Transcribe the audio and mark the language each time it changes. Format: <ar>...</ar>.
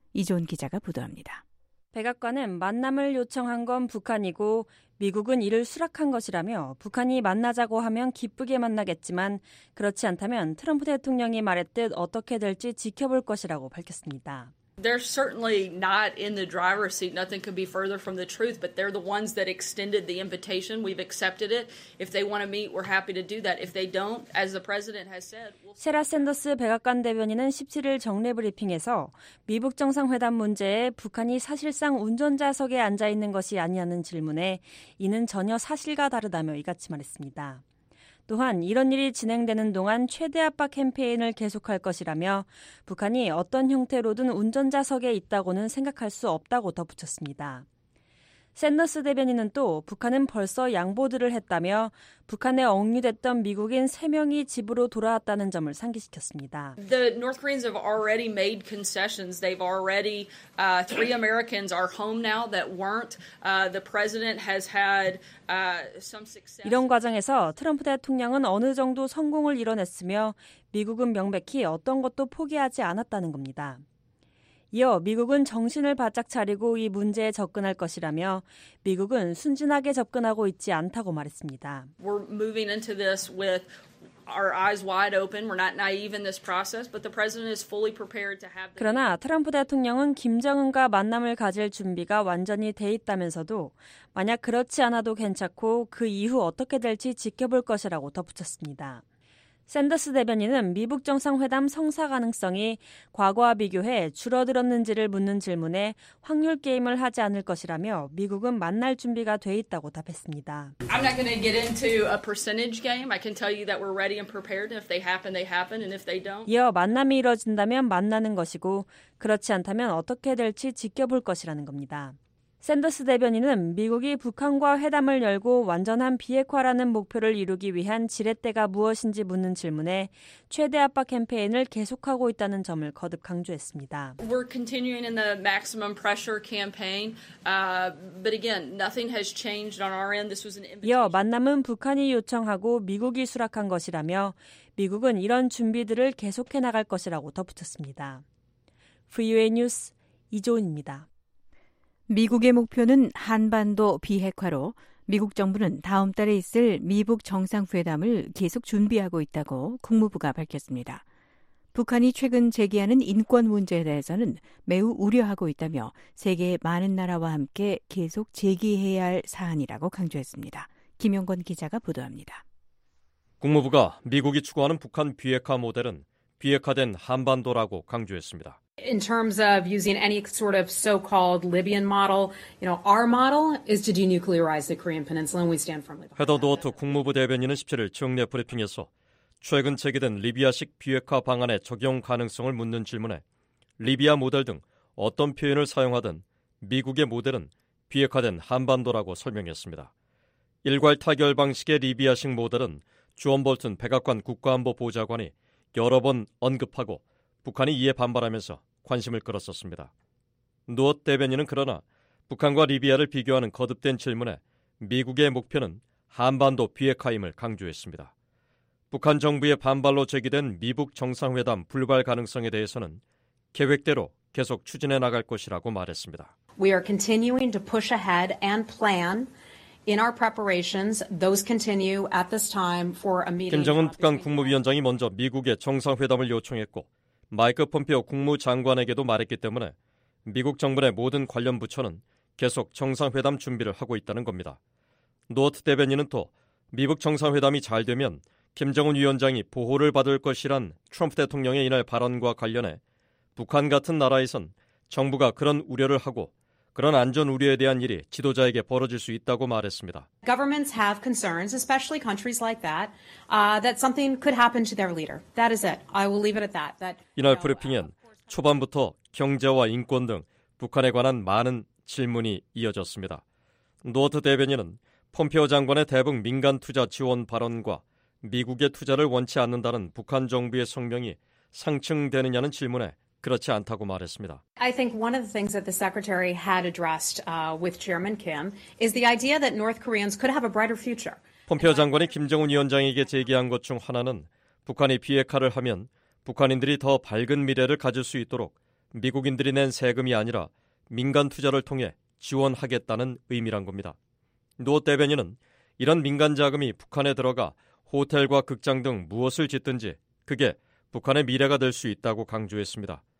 <ko>이조은 기자가 보도합니다. 백악관은 만남을 요청한 건 북한이고 미국은 이를 수락한 것이라며 북한이 만나자고 하면 기쁘게 만나겠지만 그렇지 않다면 트럼프 대통령이 말했듯 어떻게 될지 지켜볼 것이라고 밝혔습니다.</ko> <en>They're certainly not in the driver's seat. Nothing could be further from the truth, but they're the ones that extended the invitation. We've accepted it. If they want to meet, we're happy to do that. If they don't, as the president has said, we'll...</en> <ko>세라 샌더스 백악관 대변인은 17일 정례 브리핑에서 미북 정상회담 문제에 북한이 사실상 운전자석에 앉아 있는 것이 아니냐는 질문에 이는 전혀 사실과 다르다며 이같이 말했습니다. 또한 이런 일이 진행되는 동안 최대 압박 캠페인을 계속할 것이라며 북한이 어떤 형태로든 운전자석에 있다고는 생각할 수 없다고 덧붙였습니다. 샌더스 대변인은 또 북한은 벌써 양보들을 했다며 북한에 억류됐던 미국인 3명이 집으로 돌아왔다는 점을 상기시켰습니다.</ko> <en>The North Koreans have already made concessions. They've already three Americans are home now that weren't. The president has had some success.</en> <ko>이런 과정에서 트럼프 대통령은 어느 정도 성공을 이뤄냈으며 미국은 명백히 어떤 것도 포기하지 않았다는 겁니다. 이어 미국은 정신을 바짝 차리고 이 문제에 접근할 것이라며 미국은 순진하게 접근하고 있지 않다고 말했습니다.</ko> <en>We're moving into this with our eyes wide open. We're not naive in this process, but the president is fully prepared to have.</en> <ko>그러나 트럼프 대통령은 김정은과 만남을 가질 준비가 완전히 돼 있다면서도 만약 그렇지 않아도 괜찮고 그 이후 어떻게 될지 지켜볼 것이라고 덧붙였습니다. 샌더스 대변인은 미북 정상회담 성사 가능성이 과거와 비교해 줄어들었는지를 묻는 질문에 확률 게임을 하지 않을 것이라며 미국은 만날 준비가 돼 있다고 답했습니다.</ko> <en>I'm not going to get into a percentage game. I can tell you that we're ready and prepared. If they happen, they happen. And if they don't.</en> <ko>이어 만남이 이뤄진다면 만나는 것이고 그렇지 않다면 어떻게 될지 지켜볼 것이라는 겁니다. 샌더스 대변인은 미국이 북한과 회담을 열고 완전한 비핵화라는 목표를 이루기 위한 지렛대가 무엇인지 묻는 질문에 최대 압박 캠페인을 계속하고 있다는 점을 거듭 강조했습니다.</ko> <en>We're continuing in the maximum pressure campaign. But again, nothing has changed on our end. This was an invitation.</en> <ko>이어 만남은 북한이 요청하고 미국이 수락한 것이라며 미국은 이런 준비들을 계속해 나갈 것이라고 덧붙였습니다. VOA 뉴스 이조은입니다. 미국의 목표는 한반도 비핵화로 미국 정부는 다음 달에 있을 미북 정상회담을 계속 준비하고 있다고 국무부가 밝혔습니다. 북한이 최근 제기하는 인권 문제에 대해서는 매우 우려하고 있다며 세계의 많은 나라와 함께 계속 제기해야 할 사안이라고 강조했습니다. 김용건 기자가 보도합니다. 국무부가 미국이 추구하는 북한 비핵화 모델은 비핵화된 한반도라고 강조했습니다.</ko> <en>In terms of using any sort of so-called Libyan model, you know, our model is to denuclearize the Korean Peninsula, and we stand firmly behind that.</en> <ko>헤더 노어트 국무부 대변인은 17일 정례 브리핑에서 최근 제기된 리비아식 비핵화 방안의 적용 가능성을 묻는 질문에 리비아 모델 등 어떤 표현을 사용하든 미국의 모델은 비핵화된 한반도라고 설명했습니다. 일괄 타결 방식의 리비아식 모델은 주원 볼튼 백악관 국가안보보좌관이 여러 번 언급하고 북한이 이에 반발하면서 관심을 끌었었습니다. 누엇 대변인은 그러나 북한과 리비아를 비교하는 거듭된 질문에 미국의 목표는 한반도 비핵화임을 강조했습니다. 북한 정부의 반발로 제기된 미북 정상회담 불발 가능성에 대해서는 계획대로 계속 추진해 나갈 것이라고 말했습니다.</ko> <en>We are continuing to push ahead and plan in our preparations. Those continue at this time for a meeting.</en> <ko>김정은 북한 국무위원장이 먼저 미국의 정상회담을 요청했고 마이크 폼페오 국무장관에게도 말했기 때문에 미국 정부의 모든 관련 부처는 계속 정상회담 준비를 하고 있다는 겁니다. 노어트 대변인은 또 미북 정상회담이 잘 되면 김정은 위원장이 보호를 받을 것이란 트럼프 대통령의 이날 발언과 관련해 북한 같은 나라에선 정부가 그런 우려를 하고 그런 안전 우려에 대한 일이 지도자에게 벌어질 수 있다고 말했습니다.</ko> <en>Governments have concerns, especially countries like that, that something could happen to their leader. That is it. I will leave it at that. That</en> <ko>이날 브리핑엔 초반부터 경제와 인권 등 북한에 관한 많은 질문이 이어졌습니다. 노어트 대변인은 폼페오 장관의 대북 민간 투자 지원 발언과 미국의 투자를 원치 않는다는 북한 정부의 성명이 상충되느냐는 질문에 그렇지 않다고 말했습니다.</ko> <en>I think one of the things that the secretary had addressed with Chairman Kim is the idea that North Koreans could have a brighter future.</en> <ko>폼페오 장관이 김정은 위원장에게 제기한 것 중 하나는 북한이 비핵화를 하면 북한인들이 더 밝은 미래를 가질 수 있도록 미국인들이 낸 세금이 아니라 민간 투자를 통해 지원하겠다는 의미란 겁니다. 노 대변인은 이런 민간 자금이 북한에 들어가 호텔과 극장 등 무엇을 짓든지 그게 북한의 미래가 될 수 있다고 강조했습니다.</ko>